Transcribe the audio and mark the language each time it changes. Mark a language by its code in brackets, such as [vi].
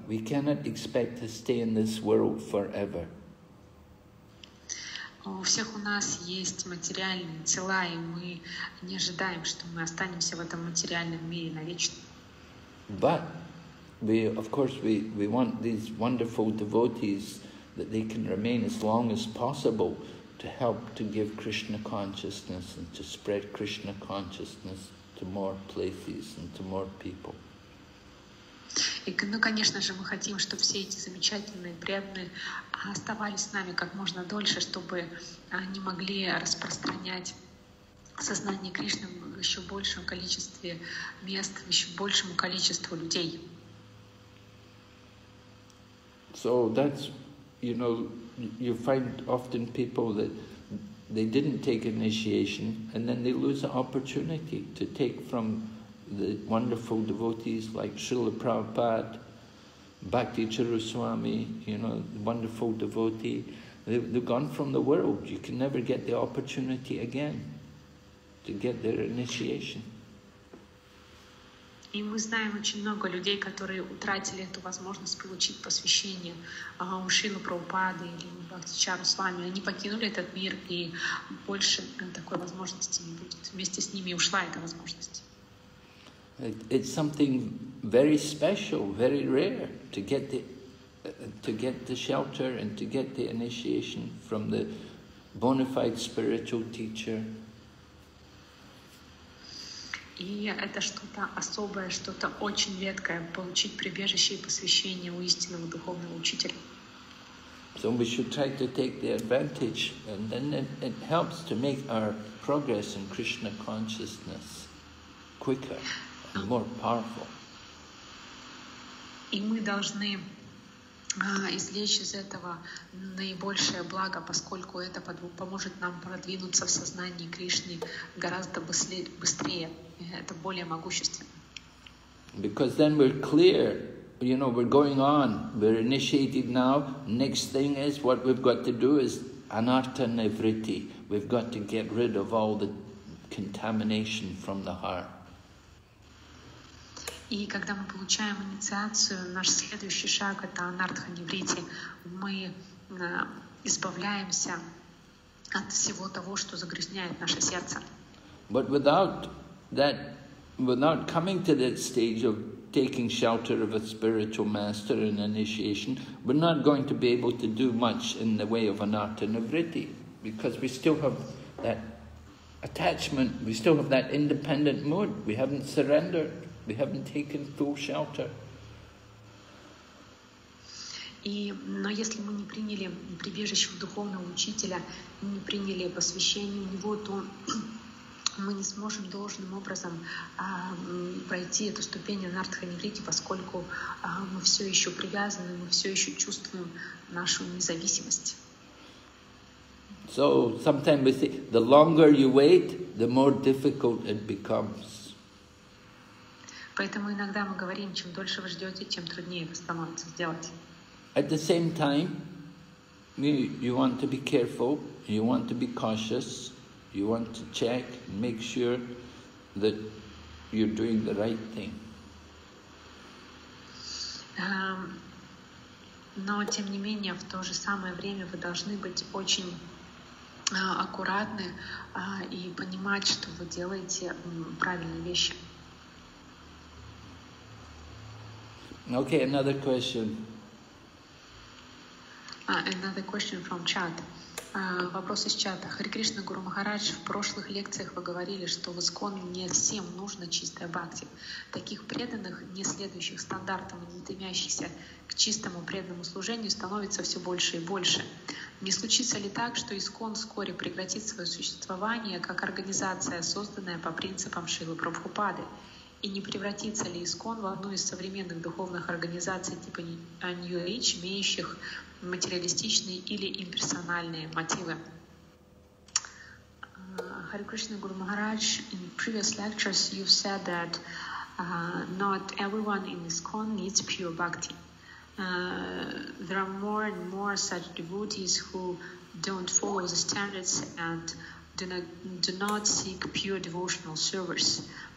[en] We cannot expect to stay in this world forever. [ru] У всех у нас есть материальные тела, и мы не ожидаем, что мы останемся в этом материальном мире навечно. [en] But we, of course, we want these wonderful devotees that they can remain as long as possible to help to give Krishna consciousness and to spread Krishna consciousness to more places and to more people. [ru] И, ну, конечно же, мы хотим, чтобы все эти замечательные преданные оставались с нами как можно дольше, чтобы они могли распространять сознание Кришны в еще большем количестве мест, в еще большему количеству людей. [en] So that's, you know, you find often people that they didn't take initiation, and then they lose the opportunity to take from the wonderful devotees like Srila Prabhupada, Bhakti Charu Swami, you know, wonderful devotee. They've gone from the world. You can never get the opportunity again to get their initiation. [ru] И мы знаем очень много людей, которые утратили эту возможность получить посвящение у Шрилы Прабхупады или Бхакти Чару Свами. Они покинули этот мир, и больше такой возможности не будет. Вместе с ними ушла эта возможность. [en] It's something very special, very rare to get the shelter and to get the initiation from the bona fide spiritual teacher. [ru] И это что-то особое, что-то очень редкое — получить прибежище и посвящение у истинного духовного учителя. [en] So we should try to take the advantage, and then it helps to make our progress in Krishna consciousness quicker, more powerful. [ru] И мы должны извлечь из этого наибольшее благо, поскольку это поможет нам продвинуться в сознании Кришны гораздо быстрее. Это более могущественно. [en] Because then we're clear, you know, we're going on, we're initiated now. Next thing is what we've got to do is anartha nivritti. We've got to get rid of all the contamination from the heart. [ru] И когда мы получаем инициацию, наш следующий шаг — это анартха нивритти. Мы избавляемся от всего того, что загрязняет наше сердце. [en] But without that, without coming to that stage of taking shelter of a spiritual master and initiation, we're not going to be able to do much in the way of anartha nivritti, because we still have that attachment, we still have that independent mood, we haven't surrendered. We haven't taken full shelter. [ru] И, но если мы не приняли прибежище в духовного учителя, не приняли посвящение у него, то мы не сможем должным образом пройти эту ступень анартха нивритти, поскольку мы все еще привязаны, мы все еще чувствуем нашу независимость. [en] So sometimes we say, the longer you wait, the more difficult it becomes. [ru] Поэтому иногда мы говорим, чем дольше вы ждете, тем труднее это становится сделать. [en] At the same time, you want to be careful, you want to be cautious, you want to check, make sure that you're doing the right thing. [ru] Но тем не менее, в то же самое время вы должны быть очень аккуратны и понимать, что вы делаете правильные вещи. [en] Okay, another question. Another question from chat. [ru] Вопрос из чата. Хари Кришна Гуру Махарадж, в прошлых лекциях вы говорили, что в ИСККОН не всем нужно чистая бхакти. Таких преданных, не следующих стандартам и не стремящихся к чистому преданному служению, становится все больше и больше. Не случится ли так, что ИСККОН вскоре прекратит свое существование как организация, созданная по принципам Шрилы Прабхупады? И не превратится ли ИСККОН в одну из современных духовных организаций типа New Age, имеющих материалистичные или имперсональные мотивы? [en] Hare Krishna Guru Maharaj, in previous lectures you've said that not everyone in ISKCON needs pure bhakti. There are more and more such devotees who don't follow the standards and do not seek pure devotional service.